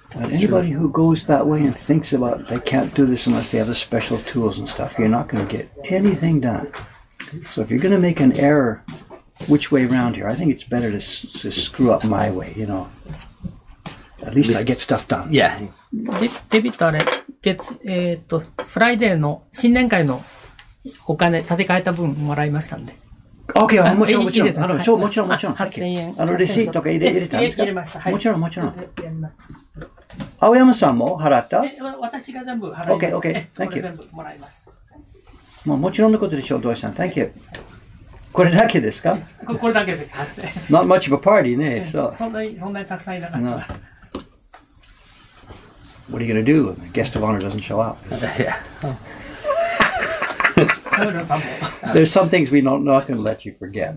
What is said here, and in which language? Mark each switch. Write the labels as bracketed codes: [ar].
[en] Anybody who goes that way and thinks about they can't do this unless they have the special tools and stuff, you're not going to get anything done. So if you're going to make an error which way around here, I think it's better to screw up my way, you know. At least I get stuff done. Yeah. [ja] デビットあれ、月、フライデーの新年会のお金立て替えた分もらいましたんで。 Okay, もちろん、もちろん。もちろん。 8000 円。レシートとか入れたんですか? 入れました。もちろん、もちろん。青山さんも払った? 私が全部払いました。 [en] OK, OK, thank you. [ja] 全部もらいました。まあ、もちろんのことでしょう、土井さん。 [en] Thank you. [ja] これだけですか? これだけです、8000。 [en] Not much of a party, ね。 [ja] そんなにたくさんいなかった。 [en] What are you gonna do when the guest of honor doesn't show up? There's some things we're not going to let you forget.